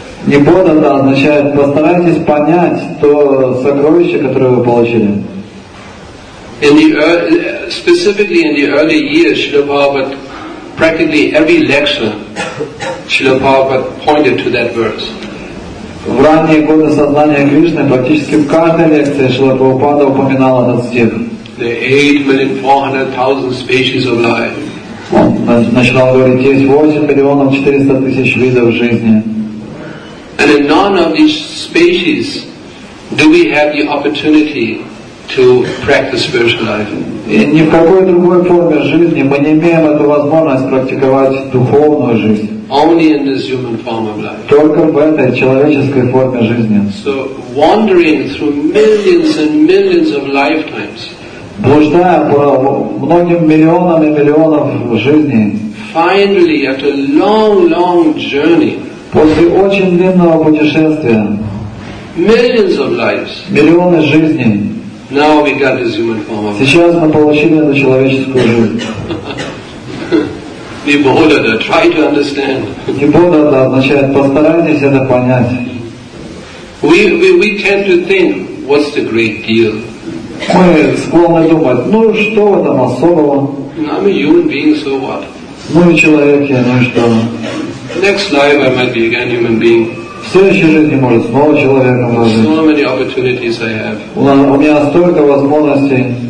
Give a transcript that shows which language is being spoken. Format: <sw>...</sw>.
<ru>Nibhodata означает постарайтесь понять то сокровище, которое вы получили.</ru> <en>In the specifically in the early years, Srila Prabhupada, practically every lecture, Srila Prabhupada pointed to that verse.</en> <ru>В ранние годы сознания Кришны практически в каждой лекции Шрила Прабхупада упоминал этот стих.</ru> <en>The 8,400,000 species of life.</en> <ru>Он начинал говорить, есть 8,400,000 видов жизни.</ru> <en>And in none of these species do we have the opportunity to practice spiritual life.</en> <ru>И ни в какой другой форме жизни мы не имеем эту возможность практиковать духовную жизнь.</ru> <en>Only in this human form of life.</en> <ru>Только в этой человеческой форме жизни.</ru> <en>So wandering through millions and millions of lifetimes,</en> <ru>блуждая по многим миллионам и миллионам жизней,</ru> <en>finally, after long, long journey,</en> <ru>после очень длинного путешествия,</ru> <en>millions of lives,</en> <ru>миллионы жизней,</ru> <en>now we got this human form of life.</en> <ru>Сейчас мы получили эту человеческую жизнь.</ru> <en>Nibodhata, try to understand.</en> <ru>Nibodhata означает постарайтесь это понять.</ru> <en>We tend to think, what's the great deal?</en> <ru>Мы склонны думать, ну что там особого?</ru> <en>I'm a human being, so what?</en> <ru>Ну и человек я, ну и что?</ru> <en>Next life I might be again human being.</en> <ru>В следующей жизни, может, снова человеком разжить. У меня столько возможностей.</ru>